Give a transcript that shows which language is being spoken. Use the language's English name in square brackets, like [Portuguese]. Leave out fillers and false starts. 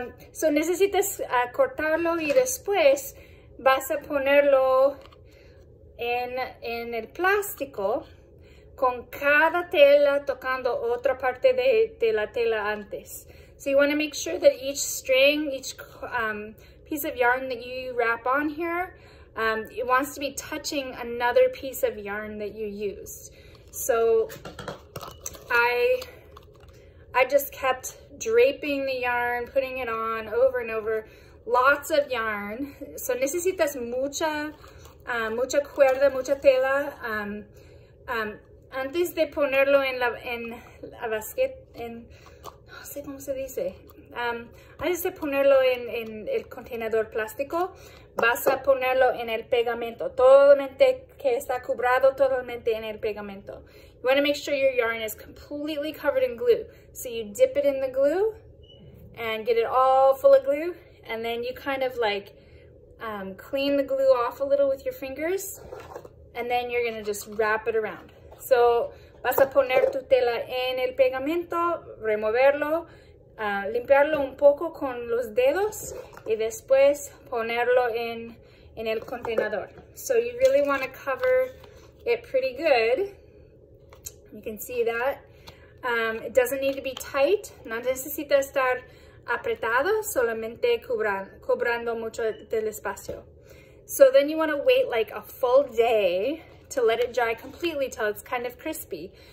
[Spanish] So necesitas cortarlo y después vas a ponerlo en el plástico con cada tela tocando otra parte de la tela antes. [English] So you want to make sure that each string, each piece of yarn that you wrap on here, it wants to be touching another piece of yarn that you used. So I just kept draping the yarn, putting it on over and over, lots of yarn. [Spanish] So necesitas mucha, mucha cuerda, mucha tela. Antes de ponerlo en la basket, en, no sé cómo se dice, antes de ponerlo en el contenedor plástico, vas a ponerlo en el pegamento, totalmente que está cubrado totalmente en el pegamento. [English] You want to make sure your yarn is completely covered in glue. So you dip it in the glue and get it all full of glue, and then you kind of like clean the glue off a little with your fingers, and then you're going to just wrap it around. [Spanish] So, vas a poner tu tela en el pegamento, removerlo, limpiarlo un poco con los dedos, y después ponerlo en el contenedor. [English] So, you really want to cover it pretty good. You can see that. It doesn't need to be tight. [Spanish] No necesita estar apretado, solamente cubrando mucho del espacio. [English] So, then you want to wait like a full day to let it dry completely till it's kind of crispy.